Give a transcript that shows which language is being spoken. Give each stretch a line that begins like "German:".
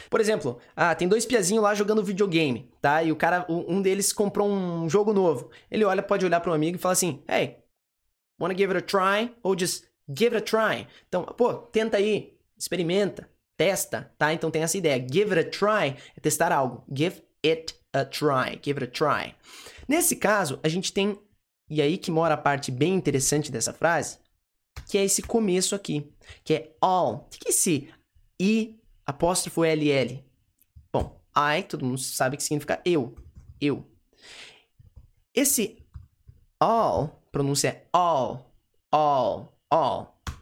Portuguese: Por exemplo, tem dois piazinhos lá jogando videogame, tá? E o cara, um deles comprou um jogo novo. Ele olha, pode olhar para um amigo e fala assim:
English: "Hey, wanna give it a try?"
Portuguese: Ou just
English: "give it a try."
Portuguese: Então, pô, tenta aí, experimenta, testa, tá? Então tem essa ideia.
English: Give it a try
Portuguese: é testar algo.
English: Give it a try, give it a try.
Portuguese: Nesse caso, a gente tem, e aí que mora a parte bem interessante dessa frase, que é esse começo aqui, que é all. O que que esse i apóstrofo LL. Bom, I, todo mundo sabe que significa eu. Eu. Esse all, pronúncia é all, all, all.